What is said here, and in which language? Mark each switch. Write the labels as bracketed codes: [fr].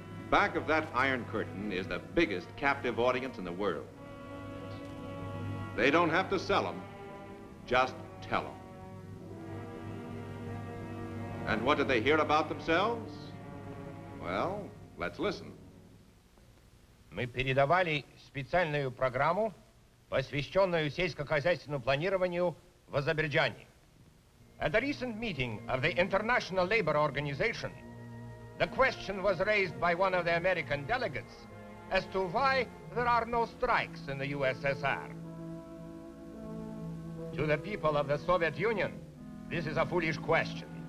[en] Back of that Iron Curtain is the biggest captive audience in the world. They don't have to sell them, just tell them. And what did they hear about themselves? Well, let's listen. [ru] Мы передавали специальную программу, посвященную сельскохозяйственному планированию в Азербайджане. [en] At a recent meeting of the International Labour Organization, the question was raised by one of the American delegates as to why there are no strikes in the USSR. To the people of the Soviet Union, this is a foolish question.